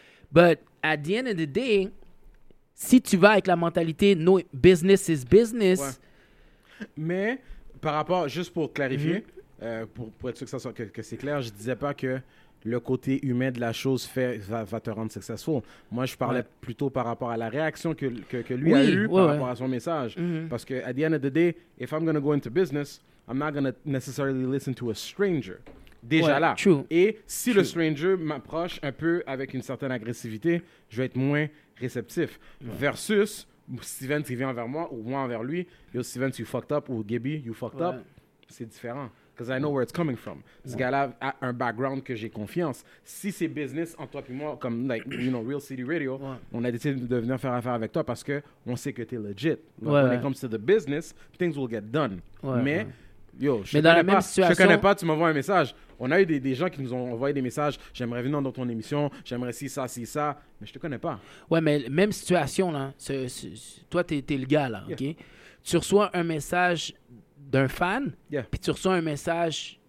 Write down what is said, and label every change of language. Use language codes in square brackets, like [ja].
[en] But at the end of the day... [fr] Si tu vas avec la mentalité [en] « no business is business ». [fr] Mais par rapport, juste pour clarifier, pour être sûr que, ça soit, que c'est clair, je ne disais pas que le côté humain de la chose va te rendre successful. Moi, je parlais plutôt par rapport à la réaction que lui a eue par rapport à son message. Parce que [en] at the end of the day, if I'm going to go into business, I'm not going to necessarily listen to a stranger. [fr] Déjà là. [en] True. [fr] Et si le stranger m'approche un peu avec une certaine agressivité, je vais être moins réceptif. Versus, Steven, tu viens envers moi ou moi envers lui. Yo, Steven, tu fucked up ou Gabby, [en] you fucked up. [fr] C'est différent. [en] Because I know where it's coming from. [fr] Ce gars-là a un background que j'ai confiance. Si c'est business en toi et moi, comme, [en] like, you know, [fr] Real City Radio, on a décidé de venir faire affaire avec toi parce qu'on sait que t'es legit. [en] Donc, when it comes to the business, things will get done. [fr] Mais, yo, je connais pas, tu m'envoies un message. On a eu des gens qui nous ont envoyé des messages. J'aimerais venir dans ton émission. J'aimerais si ça, si ça. Mais je te connais pas. Ouais, mais même situation, là. Toi, t'es le gars, là, OK? Tu reçois un message d'un fan, puis tu reçois un message